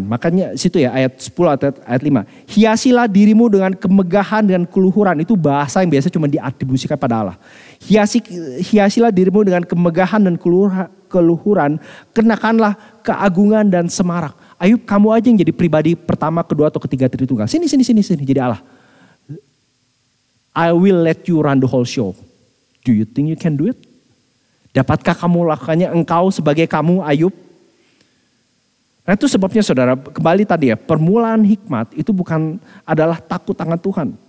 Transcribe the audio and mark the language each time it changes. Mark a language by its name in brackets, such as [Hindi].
[Indonesian] Makanya situ ya ayat 10 atau ayat 5. Hiasilah dirimu dengan kemegahan dan keluhuran. Itu bahasa yang biasa cuma diatribusikan pada Allah. Hiasilah dirimu dengan kemegahan dan keluhuran. Kenakanlah keagungan dan semarak. Ayub, kamu aja yang jadi pribadi pertama, kedua, atau ketiga Tritunggal. Sini, jadi Allah. [English] I will let you run the whole show. Do you think you can do it? [Indonesian] Dapatkah kamu lakukannya, engkau sebagai kamu, Ayub? Nah itu sebabnya saudara, kembali tadi ya, permulaan hikmat itu bukan adalah takut akan Tuhan.